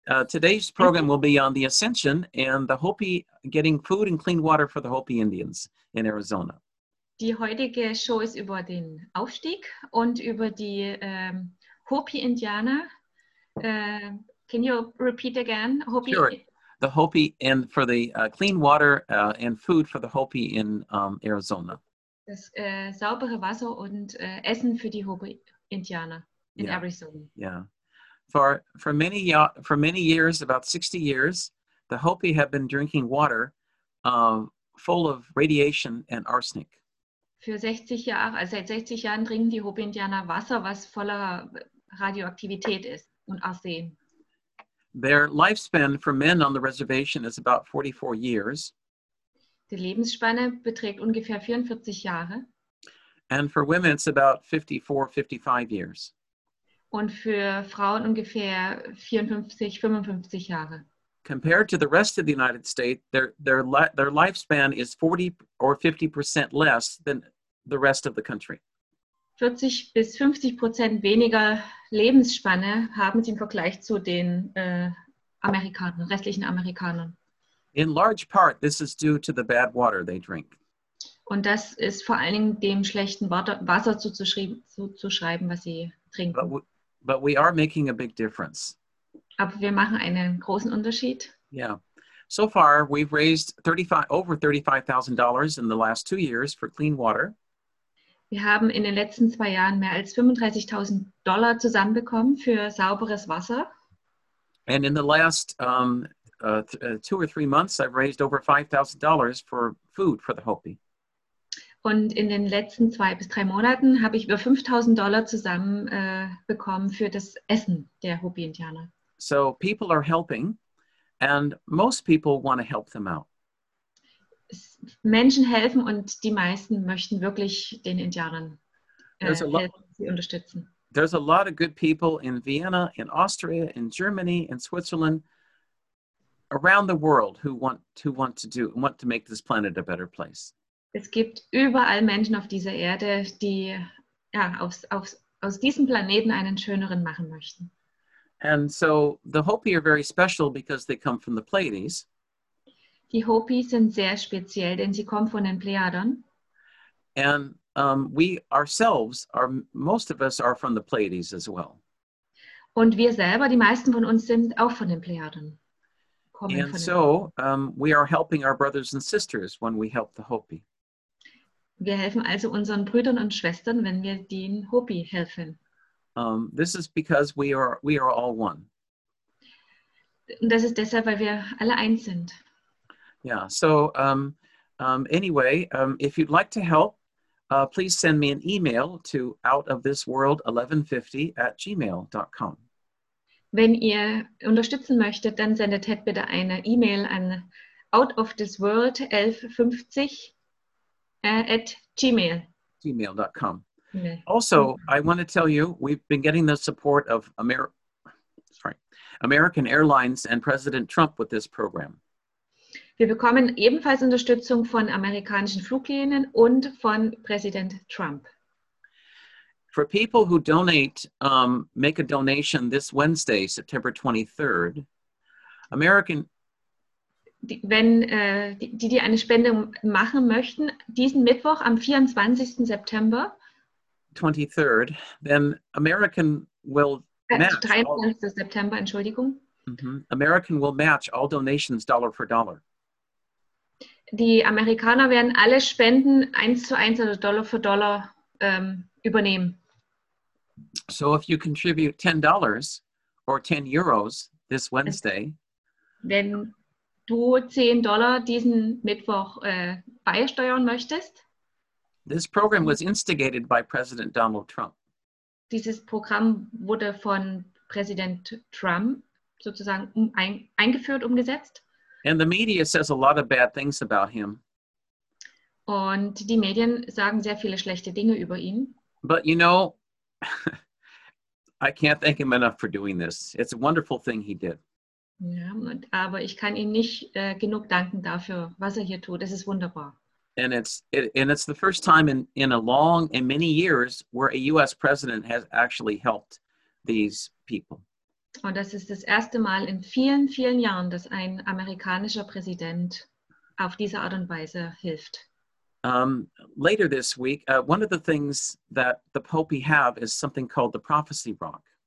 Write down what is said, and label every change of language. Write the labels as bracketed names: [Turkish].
[English] Today's program will be on the Ascension and the Hopi getting food and clean water for the Hopi Indians in Arizona. [German] Die heutige Show ist über den Aufstieg und über die Hopi Indianer. [English] Can you repeat again? Hopi. Sure. The Hopi and for the clean water and food for the Hopi in Arizona. [German] Das saubere Wasser und Essen für die Hopi Indianer in Arizona. [English] Yeah. For many years, about 60 years, the Hopi have been drinking water full of radiation and arsenic. [German] Für 60 Jahre, also seit 60 Jahren trinken die Hopi-Indianer Wasser, was voller Radioaktivität ist und Arsen. [English] Their lifespan for men on the reservation is about 44 years. [German] Die Lebensspanne beträgt ungefähr 44 Jahre. [English] And for women, it's about 54, 55 years. [German] Und für Frauen ungefähr 54, 55 Jahre. [English] Compared to the rest of the United States, their lifespan is 40 or 50% less than the rest of the country. [German] 40 bis 50% weniger Lebensspanne haben sie im Vergleich zu den Amerikanern, restlichen Amerikanern. [English] In large part, this is due to the bad water they drink. [German] Und das ist vor allen Dingen dem schlechten Wasser zuzuschreiben, was sie trinken. [English] But we are making a big difference. [German] Aber wir machen einen großen Unterschied. [English] Yeah. So far, we've raised over $35,000 in the last 2 years for clean water. [German] Wir haben in den letzten zwei Jahren mehr als $35,000 zusammenbekommen für sauberes Wasser. [English] And in the last two or three months, I've raised over $5,000 for food for the Hopi. [German] Und in den letzten 2 bis 3 Monaten habe ich über $5,000 zusammen bekommen für das Essen der Hopi-Indianer. [English] So people are helping, and most people want to help them out. [German] Menschen helfen und die meisten möchten wirklich den Indianern helfen, sie unterstützen. [English] There's a lot of good people in Vienna, in Austria, in Germany, in Switzerland, around the world who want to make this planet a better place. [German] Es gibt überall Menschen auf dieser Erde, die ja aus diesem Planeten einen schöneren machen möchten. [English] And so the Hopi are very special because they come from the Pleiades. [German] Die Hopi sind sehr speziell, denn sie kommen von den Plejaden. [English] And we ourselves are, most of us are from the Pleiades as well. [German] Und wir selber, die meisten von uns sind auch von den Plejaden. [English] And so we are helping our brothers and sisters when we help the Hopi. [German] Wir helfen also unseren Brüdern und Schwestern, wenn wir den Hopi helfen. [English] This is because we are all one. [German] Und das ist deshalb, weil wir alle eins sind. [English] Yeah, so if you'd like to help, please send me an email to outofthisworld1150@gmail.com. [German] Wenn ihr unterstützen möchtet, dann sendet Ted bitte eine E-Mail an outofthisworld1150@gmail.com. [English] Okay. Also, I want to tell you, we've been getting the support of American Airlines and President Trump with this program. [German] Wir bekommen ebenfalls Unterstützung von amerikanischen Fluglinien und von Präsident Trump. [English] For people who donate, make a donation this Wednesday, September 23rd, American... [German] Die eine Spende machen möchten, diesen Mittwoch am 24. September... [English] 23rd, then American will match... [German] 23. September, Entschuldigung. [English] Mm-hmm. American will match all donations dollar for dollar. [German] Die Amerikaner werden alle Spenden 1:1 oder Dollar für Dollar übernehmen. [English] So if you contribute $10 or 10 euros this Wednesday, [German] wenn du $10 diesen Mittwoch beisteuern möchtest, [English] this program was instigated by President Donald Trump. [German] Dieses Programm wurde von Präsident Trump sozusagen eingeführt, umgesetzt. [English] And the media says a lot of bad things about him. [German] Und die Medien sagen sehr viele schlechte Dinge über ihn. [English] But you know, I can't thank him enough for doing this. It's a wonderful thing he did. [German] Ja, aber ich kann ihm nicht genug danken dafür, was er hier tut. Es ist wunderbar. [English] And it's the first time in a long and many years where a US president has actually helped these people. [German] Und das ist das erste Mal in vielen, vielen Jahren, dass ein amerikanischer Präsident auf diese Art und Weise hilft. [English] Later this week, one of the things that the Popey have is something called the Prophecy Rock.